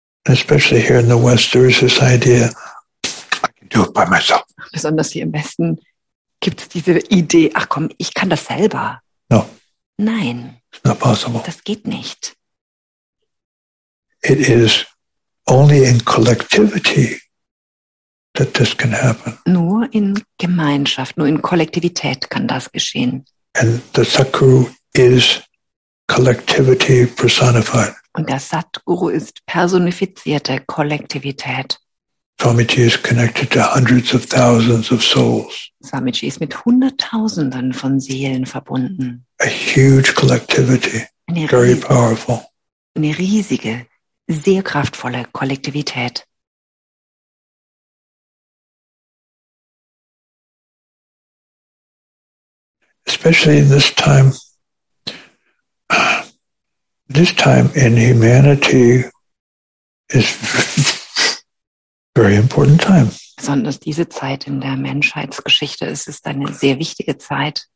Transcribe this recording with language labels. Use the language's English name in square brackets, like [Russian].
[English] Especially here in the West, there is this idea, I can do it by myself. [German] Besonders hier im Westen gibt es diese Idee, ach komm, ich kann das selber. [English] No. [German] Nein. [English] It's not possible. [German] Das geht nicht. [English] It is only in collectivity that this can happen. [German] Nur in Gemeinschaft, nur in Kollektivität kann das geschehen. [English] And the Sadhguru is collectivity personified. [German] Und der Sadhguru ist personifizierte Kollektivität. [English] Swamiji is connected to hundreds of thousands of souls. [German] Swamiji ist mit Hunderttausenden von Seelen verbunden. [English] A huge collectivity, very powerful. [German] Eine riesige, sehr kraftvolle Kollektivität. [English] Especially in this time in humanity is very important time. [German] Besonders diese Zeit in der Menschheitsgeschichte, es ist eine sehr wichtige Zeit.